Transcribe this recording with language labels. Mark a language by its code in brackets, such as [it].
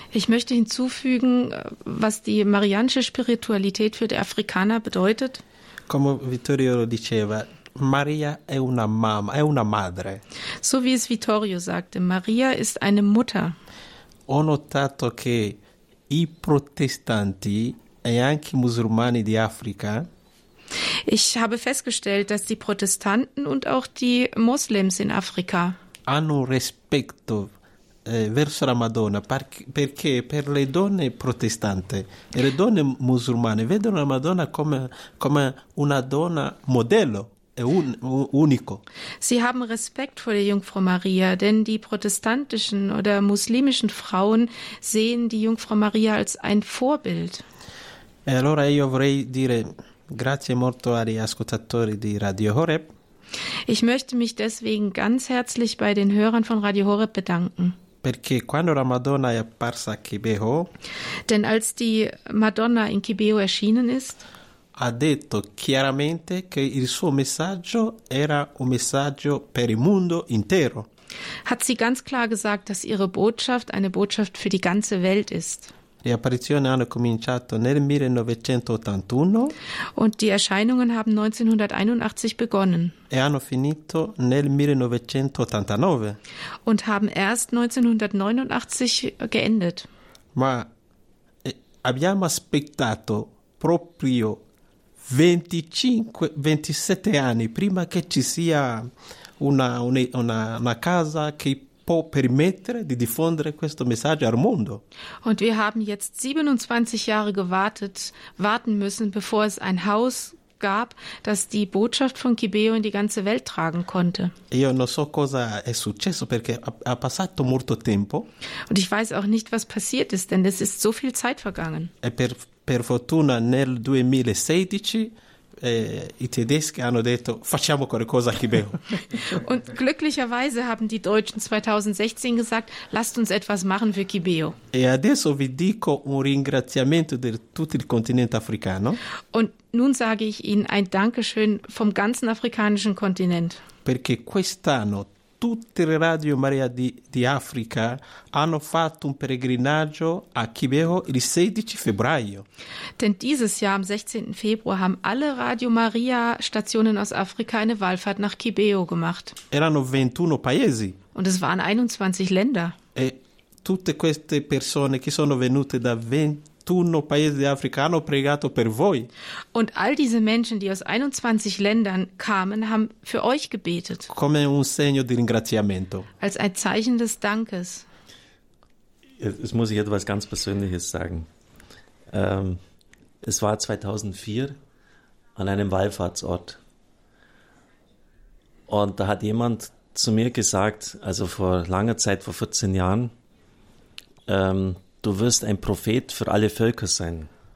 [de] Ich möchte hinzufügen, was die marianische Spiritualität für die Afrikaner bedeutet. [it] Come Vittorio diceva, Maria è una mamma, è una madre. [de] So wie es Vittorio sagte, Maria ist eine Mutter. [it] Ho notato che i protestanti e anche i musulmani di Africa. [de] Ich habe festgestellt, dass die Protestanten und auch die Moslems in Afrika [it] hanno rispetto verso la Madonna, perché per le donne protestanti e le donne musulmane vedono la Madonna come una donna modello e unico. [de] Sie haben Respekt vor der Jungfrau Maria, denn die protestantischen oder muslimischen Frauen sehen die Jungfrau Maria als ein Vorbild. [it] E allora io vorrei dire grazie molto agli ascoltatori di Radio Horeb. [de] Ich möchte mich deswegen ganz herzlich bei den Hörern von Radio Horeb bedanken. [it] Perché quando la Madonna è apparsa a Kibeho, [de] denn als die Madonna in Kibeho erschienen ist, [it] ha detto chiaramente che il suo messaggio era un messaggio per il mondo intero. [de] Hat sie ganz klar gesagt, dass ihre Botschaft eine Botschaft für die ganze Welt ist. [it] Le apparizioni hanno cominciato nel 1981 [de] und die Erscheinungen haben 1981 begonnen. [it] E hanno finito nel 1989 [de] und haben erst 1989 geendet. [it] Ma abbiamo aspettato proprio 27 anni prima che ci sia una casa che permettere di diffondere questo messaggio al mondo. [de] Und wir haben jetzt 27 Jahre gewartet, warten müssen, bevor es ein Haus gab, das die Botschaft von Kibeho in die ganze Welt tragen konnte. [it] Io non so cosa è successo perché ha passato molto tempo. [de] Und ich weiß auch nicht, was passiert ist, denn es ist so viel Zeit vergangen. [it] E per fortuna nel 2016 i tedeschi hanno detto facciamo qualcosa a Kibeho. [de] Und glücklicherweise haben die Deutschen 2016 gesagt, lasst uns etwas machen für Kibeho. [it] E adesso vi dico un ringraziamento di tutto il continente africano. [de] Und nun sage ich Ihnen ein Dankeschön vom ganzen afrikanischen Kontinent. [it] Perché quest'anno tutte le Radio Maria di Africa hanno fatto un pellegrinaggio a Kibeho il 16 febbraio. [de] Denn dieses Jahr am 16. Februar haben alle Radio Maria Stationen aus Afrika eine Wallfahrt nach Kibeho gemacht. [it] Erano 21 paesi. [de] Und es waren 21 Länder. [it] E tutte queste persone che sono venute da 21 paesi di Africa hanno pregato per voi. [de] Und all diese Menschen, die aus 21 Ländern kamen, haben für euch gebetet. [it] Come un segno di ringraziamento. [de] Als ein Zeichen des Dankes. Jetzt muss ich etwas ganz Persönliches sagen. Es war 2004 an einem Wallfahrtsort. Und da hat jemand zu mir gesagt, also vor langer Zeit, vor 14 Jahren, du wirst ein Prophet für alle Völker sein.